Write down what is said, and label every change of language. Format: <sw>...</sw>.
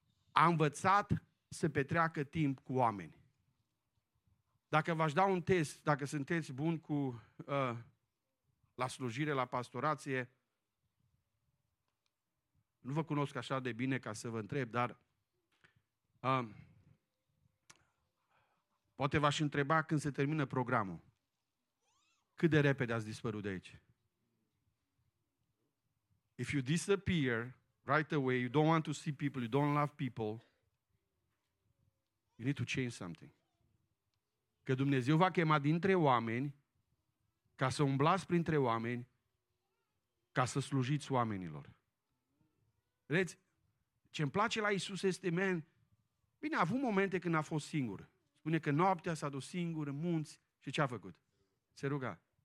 <ro>A învățat să petreacă timp cu oameni. Dacă v-aș da un test, dacă sunteți buni cu la slujire, la pastorație, nu vă cunosc așa de bine ca să vă întreb, dar poate v-aș întreba când se termină programul. Cât de repede ați dispărut de aici?</ro> <en>If you disappear right away, you don't want to see people, you don't love people, you need to change something.</en> <ro>Că Dumnezeu va chema dintre oameni ca să umblați printre oameni, ca să slujiți oamenilor. Vedeți, ce-mi place la Iisus este, man, bine, a avut momente când a fost singur. Spune că noaptea s-a dus singur în munți și ce a făcut? Se ruga.</ro>